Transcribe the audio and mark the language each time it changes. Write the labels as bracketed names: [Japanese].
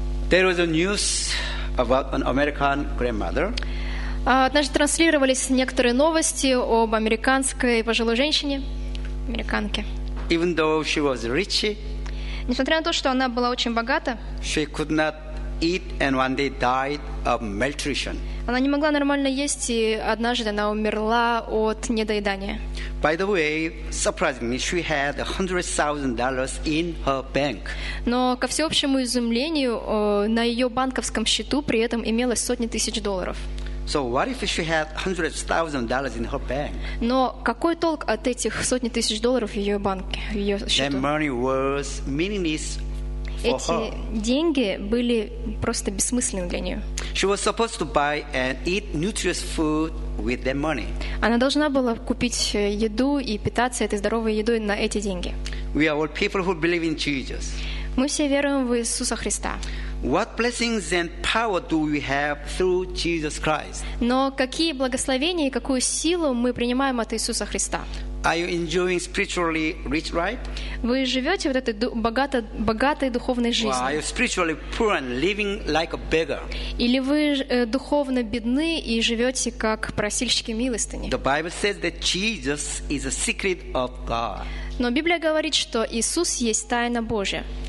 [English] There was a news about an American grandmother. [Russian] Однажды транслировались некоторые новости об американской пожилой женщине, американке. [English] Even though she was rich, [Russian] несмотря на то, что она была очень богата, [English] she could not eat and one day died of malnutrition. [Russian] Она не могла нормально есть, и однажды она умерла от недоедания. [English] By the way, surprisingly, she had $100,000 in her bank. [Russian] Но ко всеобщему изумлению, на ее банковском счету при этом имелось сотни тысяч долларов. [English] So what if she had $100,000 in her bank? [Russian] Но какой толк от этих сотни тысяч долларов в ее банке, в ее счету? [English] That money was meaningless for her. [Russian] Эти деньги были просто бессмысленны для нее. [English] She was supposed to buy and eat nutritious food with that money. [Russian] Она должна была купить еду и питаться этой здоровой едой на эти деньги. [English] We are all people who believe in Jesus. [Russian] Мы все веруем в Иисуса Христа. [English] What blessings and power do we have through Jesus Christ? [Russian] Но какие благословения и какую силу мы принимаем от Иисуса Христа? [English] Are you enjoying spiritually rich life? [Russian] Вы живете вот этой богатой духовной жизнью? [English] Or are you spiritually poor and living like a beggar? [Russian] Или вы духовно бедны и живете как просильщики милостыни? [English] The Bible says that Jesus is the secret of God. [Russian] Но Библия говорит, что Иисус есть тайна Божия.